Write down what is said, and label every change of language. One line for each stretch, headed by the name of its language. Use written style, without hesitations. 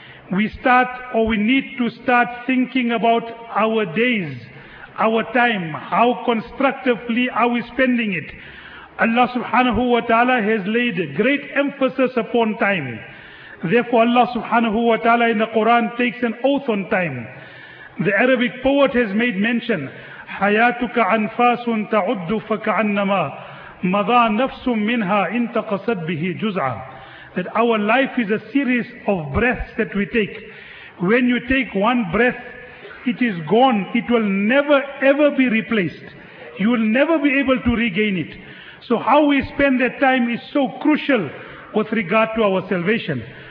English: We need to start thinking about our days, our time, how constructively are we spending it. Allah subhanahu wa ta'ala has laid great emphasis upon time. Therefore Allah subhanahu wa ta'ala in the Quran takes an oath on time. The Arabic poet has made mention,
Arabic: حياتك أنفاس تعد فكأنما مضى نفس منها إن تقصد به جزعا.
English: That our life is a series of breaths that we take. When you take one breath, it is gone. It will never ever be replaced. You will never be able to regain it. So how we spend that time is so crucial with regard to our salvation.